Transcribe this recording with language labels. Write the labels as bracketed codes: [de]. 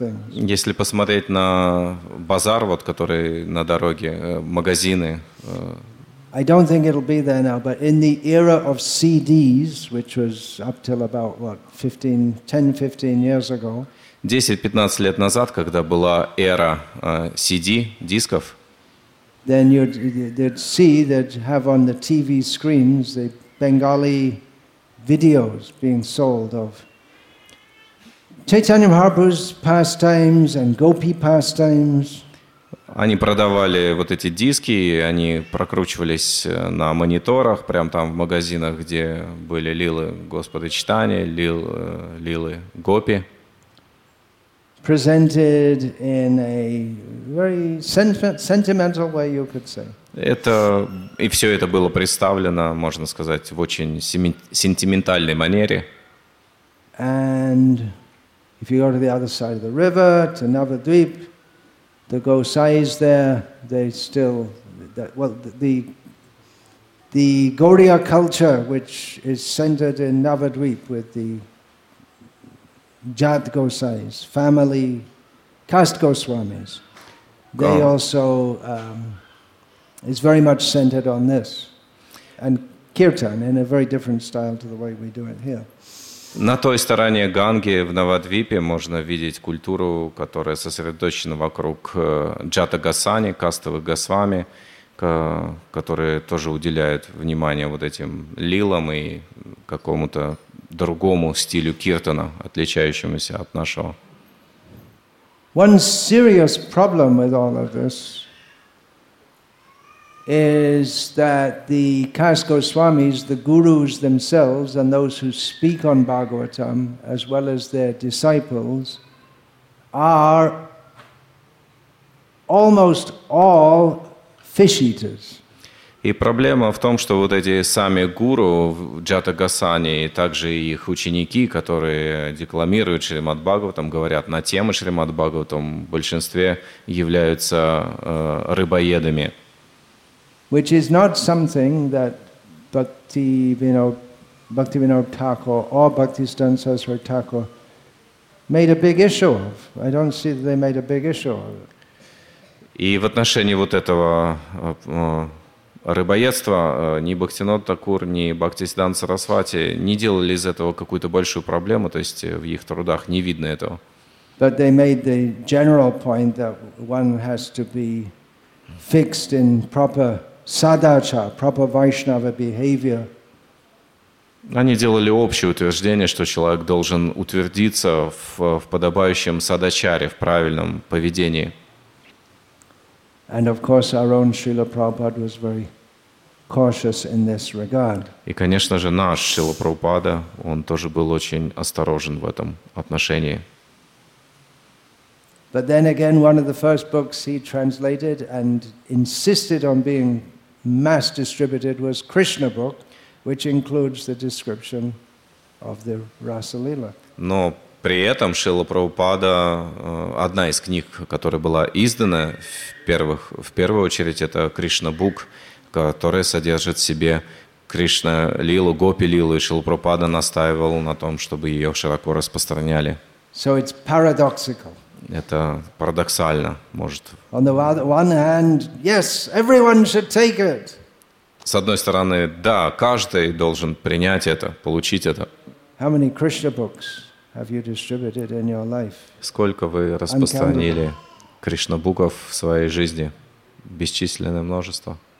[ru] Если посмотреть на базар, вот который на дороге, магазины. [en] I don't think it'll be there now, but in the era of CDs, which was up till about what, 10-15 years ago. [ru] 10-15 лет назад, когда была эра CD дисков. [en] Then you'd see that have on the TV screens the Bengali videos being sold of Chaitanya Mahaprabhu's pastimes and Gopi pastimes. [ru] Они продавали вот эти диски, и они прокручивались на мониторах, прямо там в магазинах, где были лилы Господа Чайтаньи, лилы Гопи. [en] Presented in a very sentimental way, you could say. [ru] Это и все это было представлено, можно сказать, в очень сентиментальной манере. [en] And if you go to the other side of the river, to Navadvip, the Gosais there, they still, the Gauriya culture, which is centered in Navadvip with the Jat Gosais, family, caste Goswamis, they also, is very much centered on this. And Kirtan, in a very different style to the way we do it here. [ru] На той стороне Ганги в Навадвипе можно видеть культуру, которая сосредоточена вокруг Джата Гасани, кастовых Госвами, которые тоже уделяют внимание вот этим лилам и какому-то другому стилю киртана, отличающемуся от нашего. [en] One serious problem with all of this is that the caste Goswamis, the gurus themselves, and those who speak on Bhagavatam, as well as their disciples, are almost all fish eaters. [ru] И проблема в том, что вот эти сами гуру Джата Гасани и также их ученики, которые декламируют Шримад Бхагаватам, говорят на тему Шримад Бхагаватам, в большинстве являются рыбоедами. [en] Which is not something that Bhaktivinoda Thakur or Bhaktisiddhanta Saraswati Thakur made a big issue of. I don't see that they made a big issue of it. [ru] И в отношении вот этого рыбоедства ни Бхактивинода Такур, ни Бхактисиддханта Сарасвати не делали из этого какую-то большую проблему, то есть в их трудах не видно этого. [en] But they made the general point that one has to be fixed in proper Sadhacha, proper Vaishnava behavior. [ru] Они делали общее утверждение, что человек должен утвердиться в подобающем садачаре, в правильном поведении. [en] And of course, our own Srila Prabhupada was very cautious in this regard. [ru] И, конечно же, наш Шрила Прабхупада, он тоже был очень осторожен в этом отношении. [en] But then again, one of the first books he translated and insisted on being mass distributed was Krishna book, which includes the description of the Rasa Lila. [ru] Но при этом Шрила Прабхупада, одна из книг, которая была издана в первую очередь, это Krishna book, которая содержит в себе Кришна Лилу, Гопи Лилу, и Шрила Прабхупада настаивал на том, чтобы ее широко распространяли. [en] So it's paradoxical. [ru] Это парадоксально, может. [en] On the one hand, yes, everyone should take it. [ru] С одной стороны, да, каждый должен принять это, получить это. [en] How many Krishna books have you distributed in your life? [ru] Сколько вы распространили Кришнабуков в своей жизни? Бесчисленное множество.